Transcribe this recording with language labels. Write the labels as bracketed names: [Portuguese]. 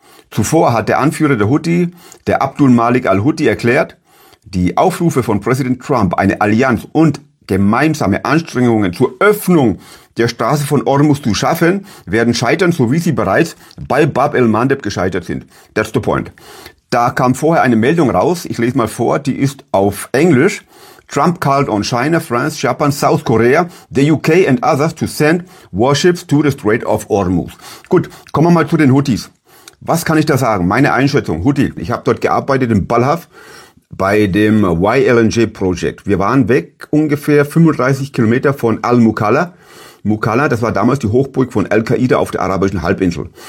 [German] Zuvor hat der Anführer der Houthi, der Abdul Malik al-Houthi, erklärt, die Aufrufe von Präsident Trump, eine Allianz und gemeinsame Anstrengungen zur Öffnung der Straße von Ormus zu schaffen, werden scheitern, so wie sie bereits bei Bab el-Mandeb gescheitert sind. [English] That's the point. [German] Da kam vorher eine Meldung raus, ich lese mal vor, die ist auf Englisch. [English] Trump called on China, France, Japan, South Korea, the UK and others to send warships to the Strait of Ormus. [German] Gut, kommen wir mal zu den Houthis. Was kann ich da sagen? Meine Einschätzung, Houthi, ich habe dort gearbeitet in Balhaf, bei dem YLNG-Projekt. Wir waren weg ungefähr 35 Kilometer von Al-Mukalla. Mukalla, das war damals die Hochburg von Al-Qaida auf der arabischen Halbinsel.